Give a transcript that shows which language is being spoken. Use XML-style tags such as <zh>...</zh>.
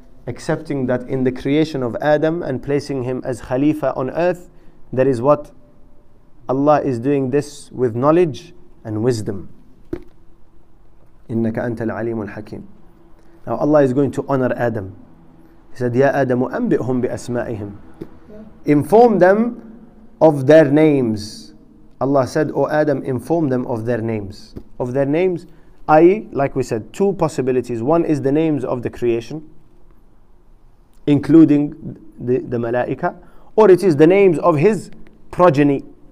<en>Accepting that in the creation of Adam and placing him as Khalifa on earth, that is what? Allah is doing this with knowledge and wisdom.</en> <ar>إِنَّكَ أَنْتَ الْعَلِيمُ الْحَكِيمُ.</ar> <en>Now Allah is going to honor Adam. He said,</en> <ar>يَا آدَمُ أَنْبِئْهُمْ بِأَسْمَائِهِمْ.</ar> <en>Inform them of their names. Allah said, O Adam, inform them of their names. Of their names, i.e., like we said, two possibilities. One is the names of the creation, including the malaika, or it is the names of his progeny.</en>